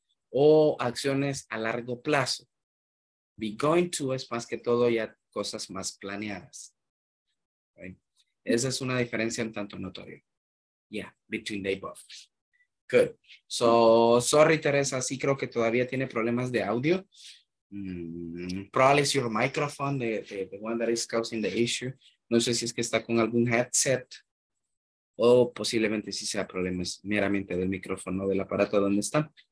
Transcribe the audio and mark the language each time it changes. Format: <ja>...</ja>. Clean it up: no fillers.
<es>O acciones a largo plazo. Be going to es más que todo ya cosas más planeadas. Right? Esa es una diferencia en tanto notorio.</es> <en>Yeah, between they both. Good. So, sorry,</en> <es>Teresa, sí creo que todavía tiene problemas de audio.</es> <en>Probably it's your microphone, the one that is causing the issue.</en> <es>No sé si es que está con algún headset o posiblemente si sea problemas meramente del micrófono o del aparato donde está.</es>